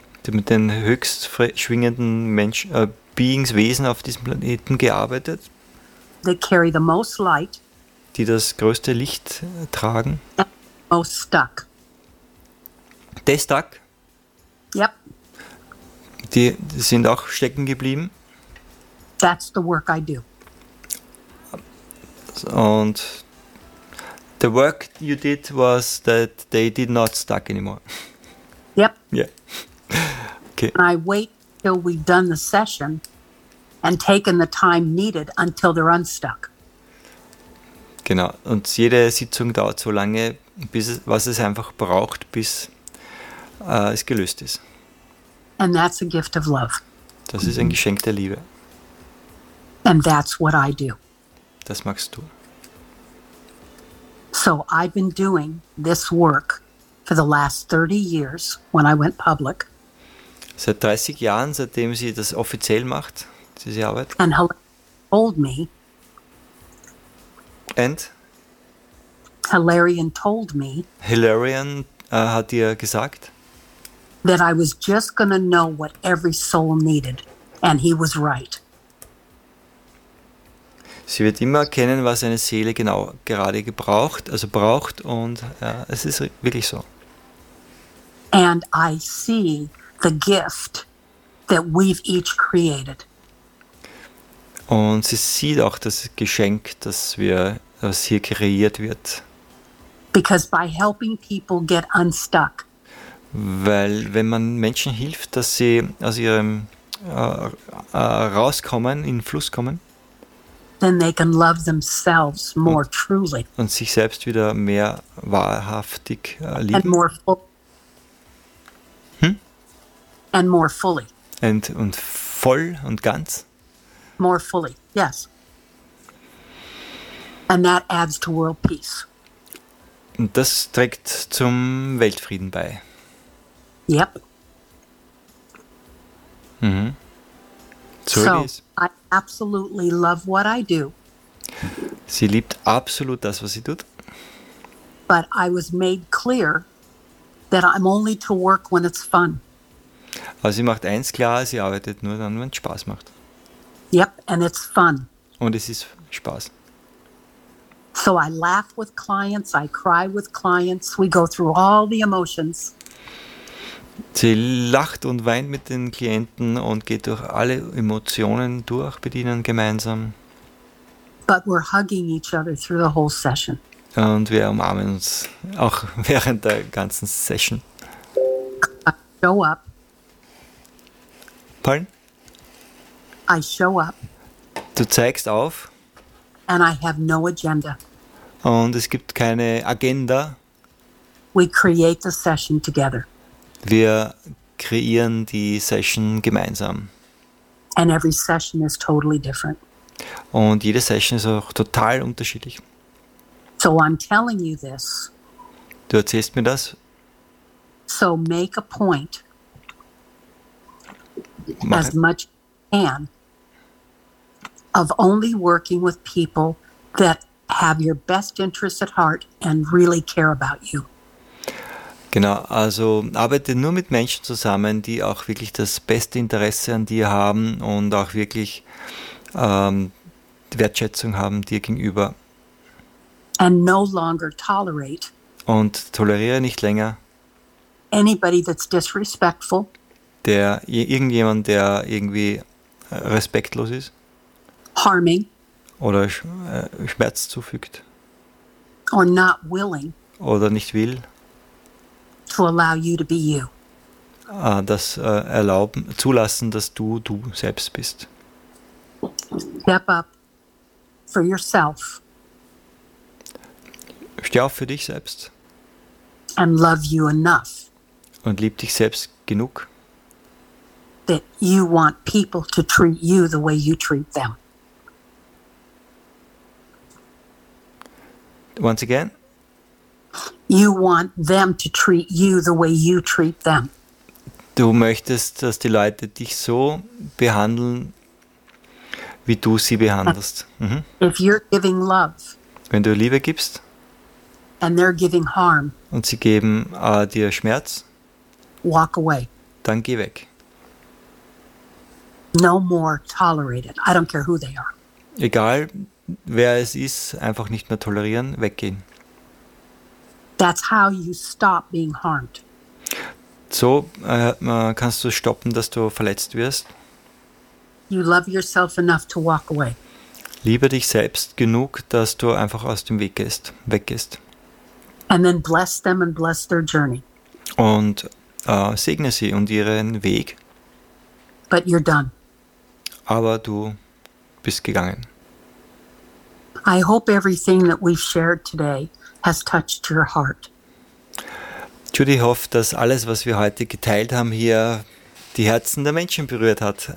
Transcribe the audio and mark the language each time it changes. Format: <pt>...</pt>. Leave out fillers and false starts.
<de>Mit den höchst schwingenden Menschen, Beings, Wesen auf diesem Planeten gearbeitet.</de> <en>They carry the most light.</en> <de>Die das größte Licht tragen.</de> <en>Most stuck. They stuck. Yep.</en> <de>Die sind auch stecken geblieben.</de> <en>That's the work I do. And the work you did was that they did not stuck anymore. Yep. Yeah. Okay. And I wait till we've done the session and taken the time needed until they're unstuck.</en> <de>Genau. Und jede Sitzung dauert so lange, was es einfach braucht, bis es gelöst ist.</de> <en>And that's a gift of love.</en> <de>Das ist ein Geschenk der Liebe.</de> <en>And that's what I do.</en> <de>Das machst du.</de> <en>So I've been doing this work for the last 30 years when I went public.</en> <de>Seit 30 Jahren, seitdem sie das offiziell macht, diese Arbeit.</de> <en>And Hilarion told me. And? Hilarion told me.</en> <de>Hilarion hat ihr gesagt.</de> <en>That I was just going to know what every soul needed. And he was right.</en> <de>Sie wird immer erkennen, was eine Seele genau gerade gebraucht, also braucht, und ja, es ist wirklich so.</de> <en>And I see the gift that we've each created.</en> <de>Und sie sieht auch das Geschenk, das hier kreiert wird.</de> <en>Because by helping people get unstuck.</en> <de>Weil wenn man Menschen hilft, dass sie aus ihrem rauskommen, in den Fluss kommen.</de> <en>Then they can love themselves more truly.</en> <de>Und sich selbst wieder mehr wahrhaftig lieben.</de> <en>And more fully. And more fully.</en> <de>Und voll und ganz.</de> <en>More fully, yes. And that adds to world peace.</en> <de>Und das trägt zum Weltfrieden bei.</de> <en>Yep. Mhm. So I absolutely love what I do.</en> <de>Sie liebt absolut das, was sie tut.</de> <en>But I was made clear that I'm only to work when it's fun.</en> <de>Also sie macht eins klar, sie arbeitet nur dann, wenn es Spaß macht.</de> <en>Yep, and it's fun.</en> <de>Und es ist Spaß.</de> <en>So I laugh with clients, I cry with clients, we go through all the emotions.</en> <de>Sie lacht und weint mit den Klienten und geht durch alle Emotionen durch mit ihnen gemeinsam.</de> <en>But we're hugging each other through the whole session.</en> <de>Und wir umarmen uns auch während der ganzen Session.</de> <en>I show up. Pardon? I show up.</en> <de>Du zeigst auf.</de> <en>And I have no agenda.</en> <de>Und es gibt keine Agenda.</de> <en>We create the session together.</en> <de>Wir kreieren die Session gemeinsam.</de> <en>And every session is totally different.</en> <de>Und jede Session ist auch total unterschiedlich.</de> <en>So I'm telling you this.</en> <de>Du erzählst mir das.</de> <en>So make a point. As much as you can. Of only working with people that have your best interests at heart and really care about you.</en> <de>Genau, also arbeite nur mit Menschen zusammen, die auch wirklich das beste Interesse an dir haben und auch wirklich Wertschätzung haben dir gegenüber.</de> <en>And no longer tolerate.</en> <de>Und toleriere nicht länger</de> <en>anybody that's disrespectful.</en> <de>Irgendjemand, der irgendwie respektlos ist.</de> <en>Harming.</en> <de>Oder Schmerz zufügt.</de> <en>Or not willing.</en> <de>Oder nicht will.</de> <en>To allow you to be you.</en> <de>Das erlauben, zulassen, dass du selbst bist.</de> <en>Step up for yourself.</en> <de>Steh auf für dich selbst.</de> <en>And love you enough.</en> <de>Und lieb dich selbst genug.</de> <en>that you want people to treat you the way you treat them. Once again? You want them to treat you the way you treat them.</en> <de>Du möchtest, dass die Leute dich so behandeln, wie du sie behandelst.</de> <en>Mhm. If you're giving love,</en> <de>wenn du Liebe gibst,</de> <en>and they're giving harm,</en> <de>und sie geben dir Schmerz,</de> <en>walk away.</en> <de>Dann geh weg.</de> <en>No more tolerated. I don't care who they are.</en> <de>Egal, wer es ist, einfach nicht mehr tolerieren, weggehen.</de> <en>That's how you stop being harmed.</en> <de>So kannst du stoppen, dass du verletzt wirst.</de> <en>You love yourself enough to walk away.</en> <de>Liebe dich selbst genug, dass du einfach aus dem Weg gehst, weggehst.</de> <en>And then bless them and bless their journey.</en> <de>Und segne sie und ihren Weg.</de> <en>But you're done.</en> <de>Aber du bist gegangen.</de> <en>I hope everything that we've shared today has touched your heart.</en> <de>Judy hofft, dass alles, was wir heute geteilt haben, hier die Herzen der Menschen berührt hat.</de>